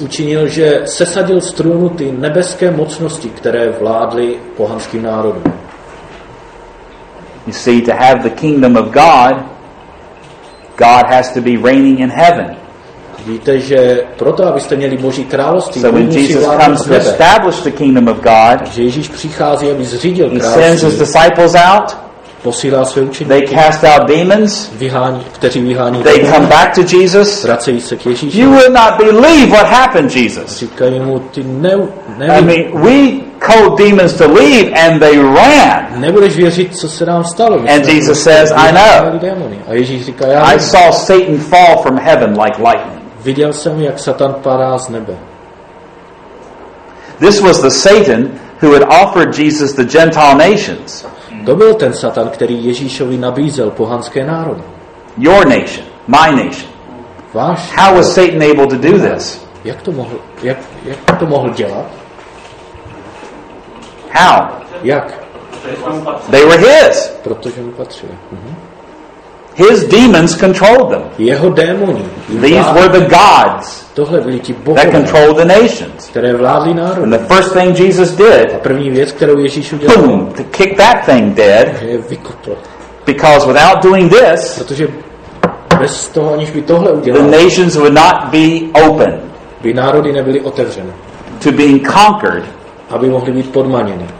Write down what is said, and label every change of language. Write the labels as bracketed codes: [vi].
[cs] Učinil, že sesadil z trůnu ty nebeské mocnosti, které vládly pohanským národům. [en] You see, to have the kingdom of God, God has to be reigning in heaven. [cs] Víte, že proto, abyste měli Boží království, [en] so when Jesus comes to establish the kingdom of God, [cs] že Ježíš přichází, aby zřídil království, [en] he sends his disciples out. [cs] Posílá své učeníky. [en] They cast out demons. [cs] Vyhání. [en] They come back to Jesus. [cs] Vracejí se k Ježíši. [en] You will not believe what happened, Jesus. [cs] Říkají mu, ty [en] I mean, we called demons to leave and they ran. [cs] Nebudeš věřit, co se nám stalo. [en] And Jesus says, I know. [cs] A Ježíš říká, já [en] I saw Satan fall from heaven like lightning. [cs] Viděl jsem, jak Satan padá z nebe. [en] This was the Satan who had offered Jesus the Gentile nations. [cs] To byl ten Satan, který Ježíšovi nabízel pohanské národy. [en] Your nation, my nation. [cs] Váš. [en] How was Satan able to do this? [cs] Jak to mohl dělat? [en] How? [cs] Jak? [en] They were his. [cs] Protože mu patřili. [en] His demons controlled them. [cs] Jeho démoni. [en] These were the gods. [cs] Tohle byli ti bohové, [en] that controlled the nations. [cs] Které vládly národy. [en] And the first thing Jesus did, [cs] a první věc, kterou Ježíš udělal, [en] boom, to kick that thing dead. [cs] Je vykopl. [en] Because without doing this, [cs] protože bez toho, aniž by tohle udělal, [en] the nations would not be open. [cs] By národy nebyly otevřené. [en] To being conquered, [cs] aby mohli být podmaněny.